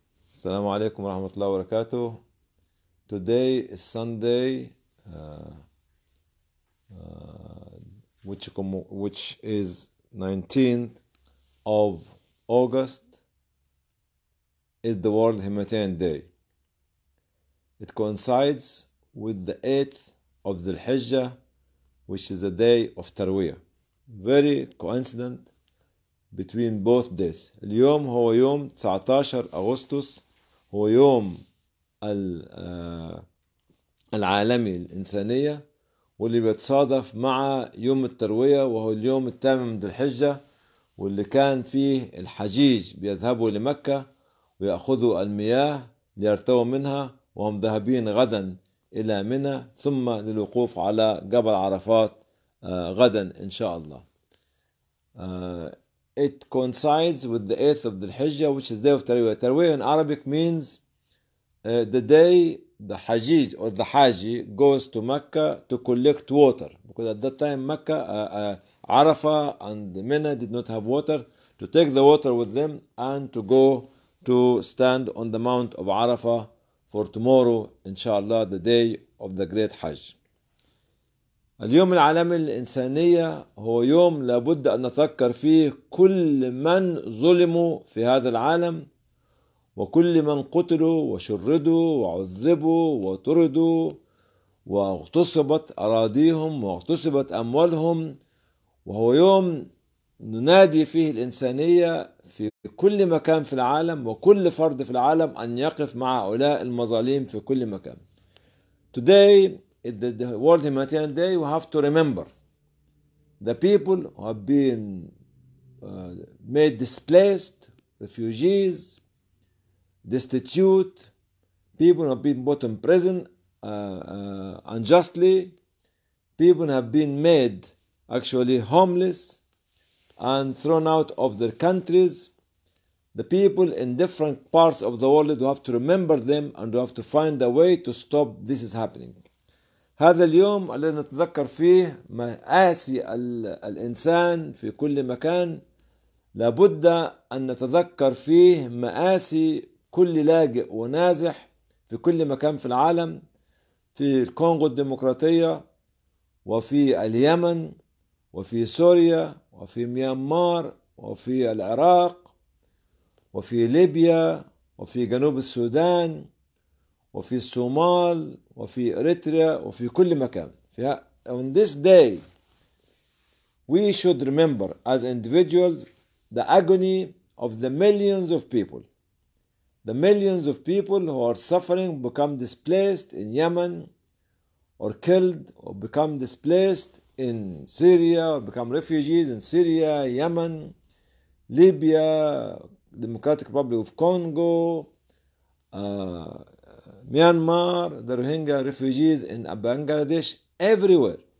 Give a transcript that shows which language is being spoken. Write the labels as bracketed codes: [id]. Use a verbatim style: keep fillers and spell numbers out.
[ar] السلام عليكم ورحمة الله وبركاته. [en] Today is Sunday, uh, which, com- which is nineteenth of August, is the World Humanitarian Day. It coincides with the eighth of Dhul Hijjah, which is a day of Tarwiyah. Very coincident between both days. [ar] اليوم هو يوم تسعة عشر أغسطس، هو يوم ال- آه، العالمي للإنسانية، واللي بيتصادف مع يوم التروية، وهو اليوم الثامن من ذي الحجة، واللي كان فيه الحجيج بيذهبوا لمكة ويأخذوا المياه ليرتووا منها، وهم ذاهبين غدا إلى منى، ثم للوقوف على جبل عرفات آه، غدا إن شاء الله. [en] Uh, it coincides with the eighth of Dhul Hijjah, which is day of Tarwiyah. Tarwiyah in Arabic means uh, the day the Hajij or the Haji goes to Mecca to collect water. Because at that time, Mecca, uh, uh, Arafah, and Mina did not have water, to take the water with them and to go to stand on the Mount of Arafah for tomorrow, inshallah, the day of the great Hajj. [ar] اليوم العالمي للإنسانية هو يوم لابد أن نتذكر فيه كل من ظلموا في هذا العالم، وكل من قتلوا وشردوا وعذبوا وطردوا واغتصبت أراضيهم واغتصبت أموالهم، وهو يوم ننادي فيه الإنسانية في كل مكان في العالم، وكل فرد في العالم أن يقف مع هؤلاء المظالم في كل مكان. [en] Today, it- the, the World Humanitarian Day, we have to remember the people who have been uh, made displaced, refugees, destitute, people who have been put in prison uh, uh, unjustly, people who have been made actually homeless and thrown out of their countries, the people in different parts of the world. We have to remember them and we have to find a way to stop this is happening. [ar] هذا اليوم الذي نتذكر فيه مآسي ال- الإنسان في كل مكان، لابد أن نتذكر فيه مآسي كل لاجئ ونازح في كل مكان في العالم، في الكونغو الديمقراطية، وفي اليمن، وفي سوريا، وفي ميانمار، وفي العراق، وفي ليبيا، وفي جنوب السودان، وفي الصومال، وفي إريتريا، وفي كل مكان. [en] فيها- On this day, we should remember as individuals the agony of the millions of people. The millions of people who are suffering, become displaced in Yemen, or killed, or become displaced in Syria, or become refugees in Syria, Yemen, Libya, Democratic Republic of Congo, uh, Myanmar, the Rohingya refugees in Bangladesh, everywhere